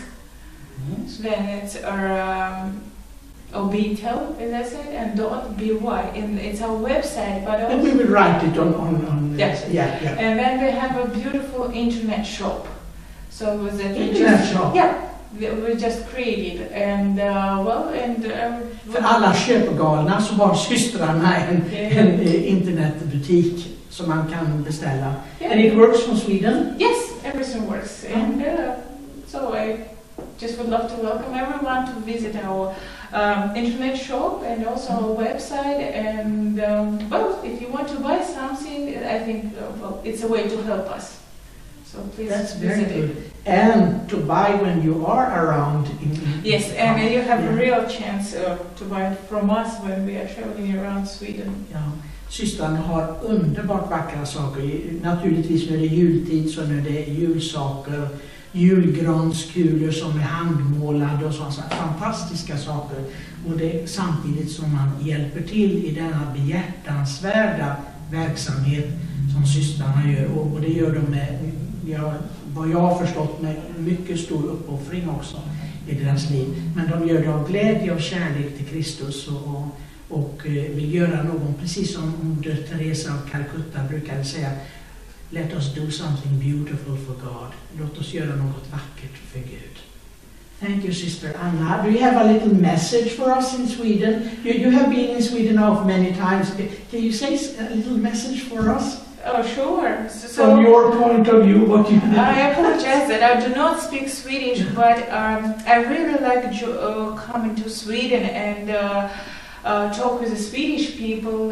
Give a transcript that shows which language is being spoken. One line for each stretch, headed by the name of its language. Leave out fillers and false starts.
English: Mm-hmm. So then it's Obitel, as I said, and .by, and it's our website. But also, we will write it on Yeah. And then we have a beautiful internet shop. So it was an internet shop. Yeah, we just created, and
Swedish: for alla köpgalna så har systrarna en internetbutik som man kan beställa.
English: Yeah. And it works from Sweden. Yes, everything works. Mm-hmm. And so I just would love to welcome everyone to visit our internet shop and also our website. And if you want to buy something, I think it's a way to help us. So please, that's visit very good. It. And to buy when you are around. Yes, and you have a real chance to buy from us when we are traveling around Sweden.
Swedish: Yeah. Systern har underbart vackra saker. Naturligtvis när det är jultid så när det är julsaker. Julgranskulor som är handmålade och sådana fantastiska saker. Och det samtidigt som man hjälper till i denna behjärtansvärda verksamhet som systrarna gör. Och det gör de med, vad jag har förstått, med mycket stor uppoffring också i deras liv. Men de gör det av glädje och kärlek till Kristus och vill göra någon, precis som moder Teresa av Calcutta brukade säga,
English: let us do something beautiful for God.
Swedish: Låt oss göra något vackert för Gud.
English: Thank you, Sister Anna. Do you have a little message for us in Sweden? You have been in Sweden now many times. Can you say a little message for us? Oh, sure. So, from your point of view, what you think? I apologize that I do not speak Swedish, but I really like coming to Sweden and talk with the Swedish people.